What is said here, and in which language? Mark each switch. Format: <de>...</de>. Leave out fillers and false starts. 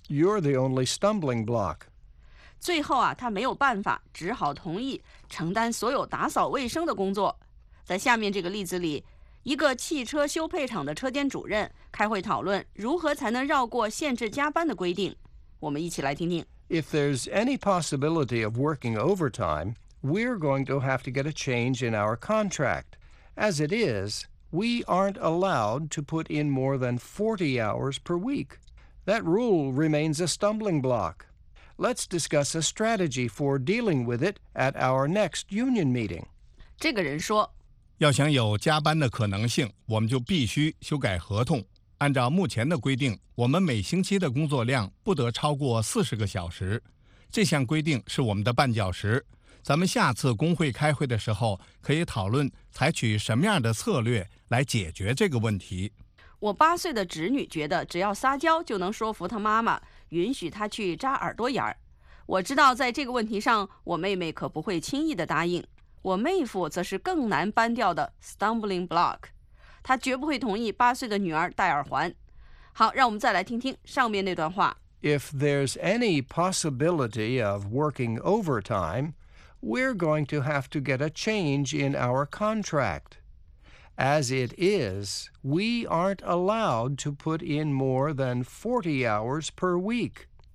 <en>You're the only stumbling block.</en> <zh>最后啊，他没有办法，只好同意承担所有打扫卫生的工作。在下面这个例子里，一个汽车修配厂的车间主任开会讨论如何才能绕过限制加班的规定。我们一起来听听。</zh> <en>If there's any possibility of working overtime, we're going to have to get a change in our contract. As it is, we aren't allowed to put in more than 40 hours per week. That rule remains a stumbling block. Let's discuss a strategy for dealing with it at our next union meeting.</en> <zh>这个人说，要想有加班的可能性，我们就必须修改合同。按照目前的规定，我们每星期的工作量不得超过40个小时。这项规定是我们的绊脚石。咱们下次工会开会的时候，可以讨论采取什么样的策略来解决这个问题。我8岁的侄女觉得只要撒娇就能说服她妈妈，允许她去扎耳朵眼儿。我知道在这个问题上，我妹妹可不会轻易的答应。我妹夫则是更难搬掉的 stumbling block。他绝不会同意8岁的女儿戴耳环。好，让我们再来听听上面那段话。</zh> <en>If there's any possibility of working overtime, we're going to have to get a change in our contract. As it is, we aren't allowed to put in more than 40 hours per week.</en>